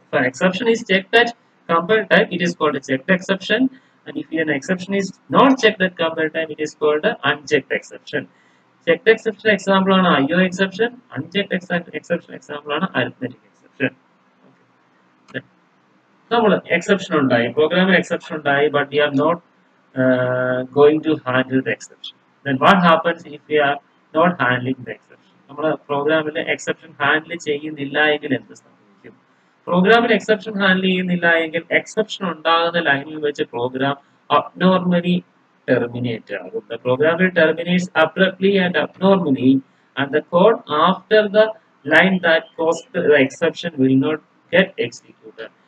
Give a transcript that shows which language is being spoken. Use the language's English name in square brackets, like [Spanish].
[English] Exception is checked at compile time, it is called checked exception. And if an exception is not checked at compile time, it is called unchecked exception. Checked exception example on IO exception, unchecked exception example on arithmetic exception. Okay. Now, we have exception on die, program exception on die, but we are not going to handle the exception. then what happens if we are not handling the exception? [Malayalam] നമ്മുടെ പ്രോഗ്രാമിൽ exception handle ചെയ്യുന്നില്ല എങ്കിൽ എന്ത് സംഭവിക്കും? പ്രോഗ്രാമിൽ exception handle ചെയ്യുന്നില്ല എങ്കിൽ exception ഉണ്ടാകുന്ന ലൈനിൽ വെച്ച് പ്രോഗ്രാം അബ്നോർമലി ടെർമിനേറ്റ് ആകും. [English] The പ്രോഗ്രാമിൽ terminates abruptly and abnormally and the code after the line that caused the exception will not get executed.